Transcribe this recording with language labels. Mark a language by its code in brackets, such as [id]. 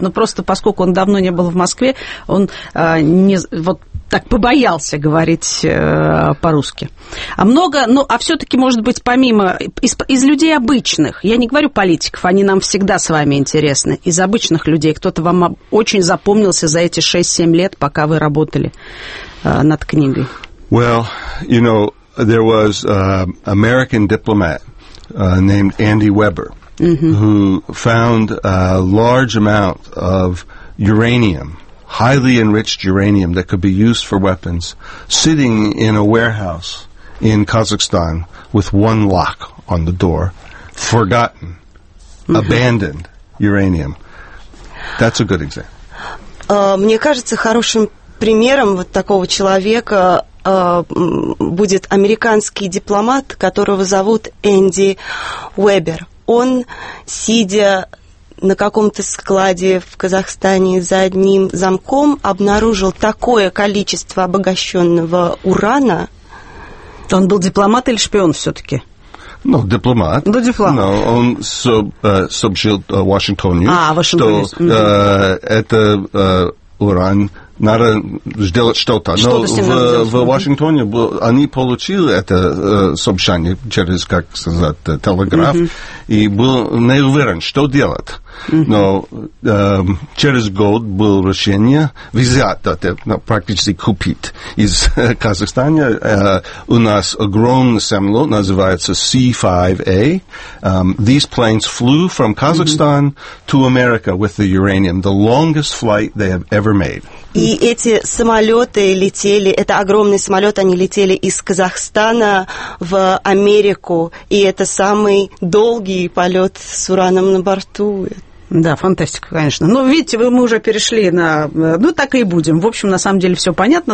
[ru] Но просто поскольку он давно не был в Москве, он не, вот так побоялся говорить по-русски. А много... Ну, а все-таки, может быть, помимо... Из людей обычных. Я не говорю политиков, они нам всегда с вами интересны. Из обычных людей. Кто-то вам очень запомнился за эти 6-7 лет, пока вы работали над книгой. [en] Well, you know, there was an American diplomat named Andy Weber who found a large amount of uranium, highly enriched uranium that could be used for weapons, sitting in a warehouse in Kazakhstan with one lock on the door, forgotten, abandoned uranium. That's a good example. [ru] Мне кажется, хорошим примером вот такого человека будет американский дипломат, которого зовут Энди Уэбер. Он, сидя на каком-то складе в Казахстане за одним замком, обнаружил такое количество обогащенного урана. Он был дипломат или шпион все-таки? Ну, дипломат. Ну, дипломат. Но он сообщил Вашингтону, что это уран... Надо сделать что-то. Что-то но в Вашингтоне они получили это сообщение через, как сказать, телеграф, и был не уверен, что делать. Но через год было решение взять, практически купить из Казахстана. У нас огромный самолет, называется C-5A. [en] These planes flew from Kazakhstan to America with the uranium, the longest flight they have ever made. [ru] И эти самолеты летели, это огромный самолет, они летели из Казахстана в Америку, и это самый долгий полет с ураном на борту. Да, фантастика, конечно. Ну, видите, мы уже перешли на... Ну, так и будем. В общем, на самом деле, все понятно.